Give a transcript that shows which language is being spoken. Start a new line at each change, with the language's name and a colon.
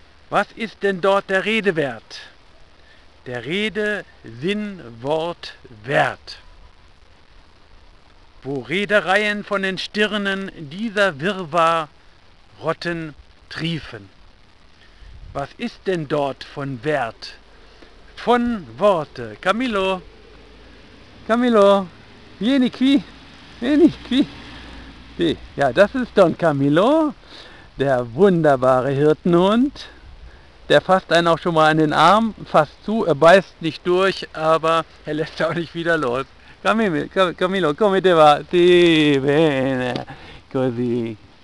German: Was ist denn dort der Redewert? Der Rede, Sinn, Wort, Wert. Wo Redereien von den Stirnen dieser Wirrwarr rotten, triefen. Was ist denn dort von Wert? Von Worte. Camillo.
Italian: Camillo, vieni qui, vieni qui.
German: Ja, das ist Don Camillo, der wunderbare Hirtenhund. Der fasst einen auch schon mal an den Arm, fasst zu, er beißt nicht durch, aber er lässt auch nicht wieder los.
Italian: Camillo, come te va? Sì, bene, così.